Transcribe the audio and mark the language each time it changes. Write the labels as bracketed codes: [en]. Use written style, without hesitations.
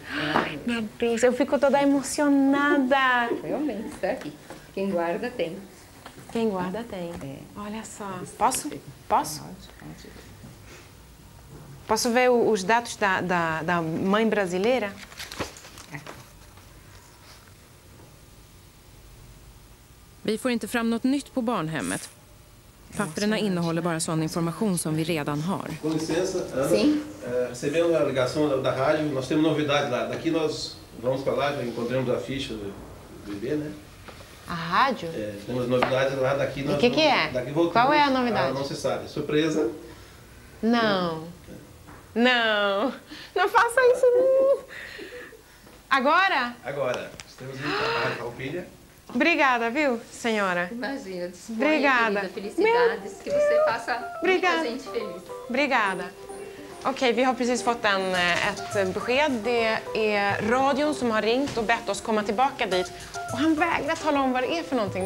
[pt] Ai, meu Deus, eu fico toda emocionada. Realmente, está aqui. Quem guarda tem. Quem guarda tem. É. Olha só. Posso? Posso? Pode. Posso ver os dados da mãe brasileira? [sv] Vi får inte fram något nytt på barnhemmet. Papperna innehåller bara sån information som vi redan har. [pt] Com licença, Ana. Sim. Recebendo a ligação da rádio, nós temos novidade lá. Daqui nós vamos para lá, já encontramos a ficha do bebê, né? A rádio? Temos novidades lá daqui. O que é? Qual é a novidade? Não se sabe. Surpresa? Não. Não. Não faça isso. Agora? Agora. Estamos indo para a rádio Alpilha. Obrigada, viu, senhora? Imagina, obrigada. Felicidades, que você faça obrigada. Muita gente feliz. Obrigada. [sv] Ok, vi har precis fått ett besked. Det är radion som har ringt och bett oss komma tillbaka dit. Och han vägrar tala om vad det är för någonting.